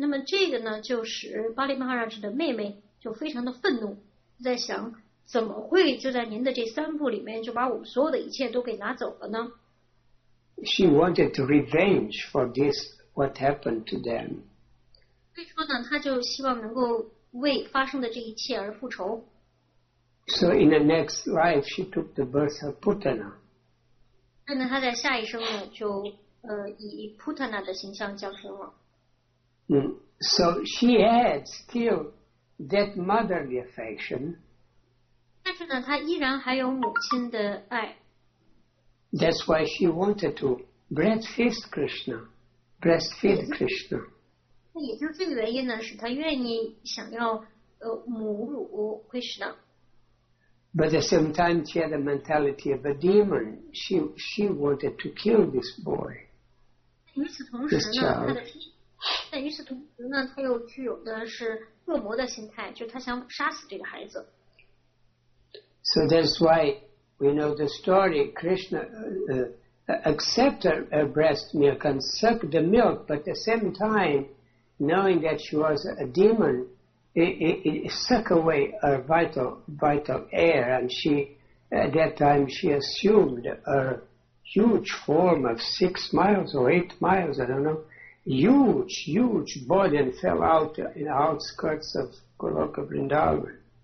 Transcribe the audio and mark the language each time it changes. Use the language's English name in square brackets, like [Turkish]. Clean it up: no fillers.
[Chinese] 那么这个呢就使巴利摩哈尔的妹妹就非常的愤怒，在想怎么会就在您的这三步里面就把我们所有的一切都给拿走了呢？ [English] She wanted revenge for this what happened to them. [Chinese] 所以说呢，她就希望能够为发生的这一切而复仇。 [English] So in the next life, she took the birth of Putana. [Chinese] 所以呢，她在下一生呢，就以 Putana 的形象降生了。 [English] So she had still that motherly affection. [Chinese] 但是呢，她依然还有母亲的爱。 [English] That's why she wanted to breastfeed Krishna. Breastfeed Krishna. [Chinese] 那也就是这个原因呢，使她愿意想要母乳 Krishna。 [English] But at the same time, she had the mentality of a demon. She wanted to kill this boy. [Chinese] 与此同时呢，她的但与此同时呢，她又具有的是恶魔的心态，就她想杀死这个孩子。 [English] So that's why we know the story. Krishna accepted her breast milk and sucked the milk, but at the same time, knowing that she was a demon, it sucked away her vital air, and she at that time she assumed a huge form of 6 miles or 8 miles, I don't know, huge body, and fell out in the outskirts of Goloka Vrindavan.